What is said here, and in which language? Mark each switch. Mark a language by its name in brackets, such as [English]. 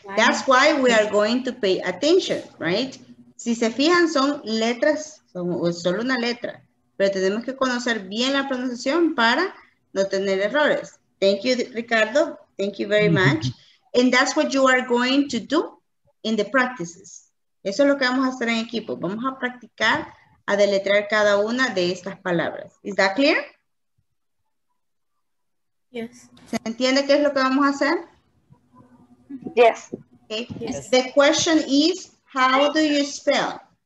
[English] That's why we are going to pay attention, right? [Spanish] Si se fijan, son letras, son, o solo una letra. Pero tenemos que conocer bien la pronunciación para no tener errores. [English] Thank you, Ricardo. Thank you very much. And that's what you are going to do in the practices. [Spanish] Eso es lo que vamos a hacer en equipo. Vamos a practicar a deletrear cada una de estas palabras. [English] Is that clear? Yes. [Spanish] ¿Se entiende qué es lo que vamos a hacer? [English] Yes. Okay. Yes. The question is, how do you spell?